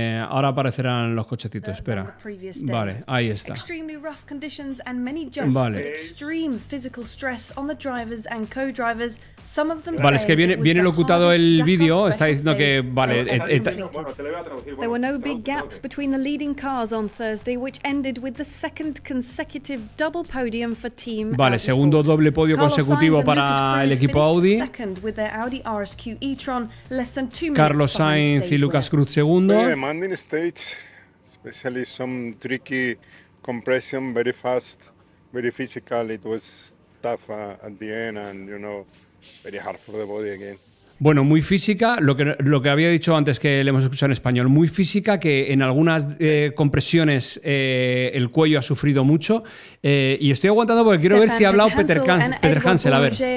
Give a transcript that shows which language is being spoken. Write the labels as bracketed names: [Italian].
[Spanish] ahora aparecerán los cochecitos, espera. Vale, ahí está. [English] Extremely rough conditions and many judges vale. Put extreme physical stress on the drivers and co-drivers. Some of them [Spanish] vale, es que viene locutado el vídeo, está diciendo que vale, [English] There were no big gaps between the leading cars on Thursday, which ended with the second consecutive double podium for team. [Spanish] Vale, segundo doble podio consecutivo para el equipo Audi. [English] Audi RSQ e-tron, less than 2 minutes. Carlos Sainz [Spanish] y Lucas Cruz segundo. [English] The demanding stage, especially some tricky compression, very fast, very physical. It was tough at the end and you know, very hard for the body again. [Spanish] Bueno, muy física, lo que había dicho antes que le hemos escuchado en español, muy física, que en algunas compresiones el cuello ha sufrido mucho. Y estoy aguantando porque quiero ver si ha hablado Peter Hansel, a ver.